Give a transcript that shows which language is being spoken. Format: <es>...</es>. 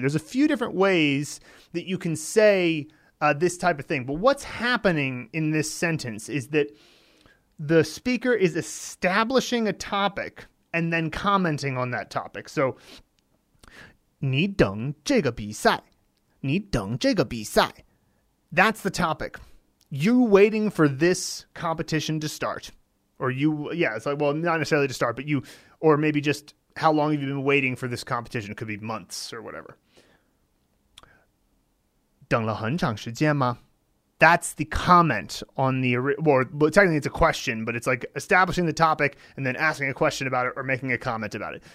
<en>There's a few different ways that you can say this type of thing. But what's happening in this sentence is that the speaker is establishing a topic and then commenting on that topic.</en> <zh>So, 你等这个比赛,你等这个比赛.</zh> <en>That's the topic. You're waiting for this competition to start. Or you, yeah, it's like, well, not necessarily to start, but you, or maybe just how long have you been waiting for this competition? It could be months or whatever.</en> <zh>等了很长时间吗?</zh> <en>That's the comment on the, well, technically it's a question, but it's like establishing the topic and then asking a question about it or making a comment about it.</en>